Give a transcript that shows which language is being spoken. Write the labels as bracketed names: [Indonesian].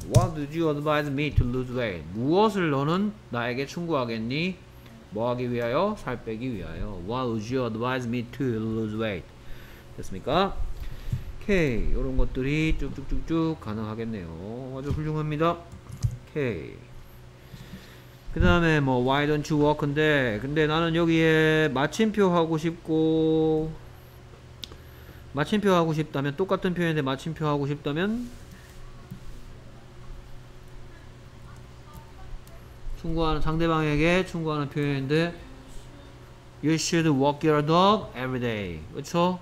[English] What would you advise me to lose weight? [Korean] 무엇을 너는 나에게 충고하겠니? 뭐하기 위하여? 살 빼기 위하여. [English] What would you advise me to lose weight? [Korean] 됐습니까? 오케이, 이런 것들이 쭉쭉쭉쭉 가능하겠네요. 아주 훌륭합니다. 오케이. 그 다음에 뭐 [English] why don't you walk? [Korean] 근데 나는 여기에 마침표 하고 싶고. 마침표 하고 싶다면 똑같은 표현인데 마침표 하고 싶다면 충고하는 상대방에게 충고하는 표현인데 [English] You should walk your dog every day. [Korean] 그렇죠?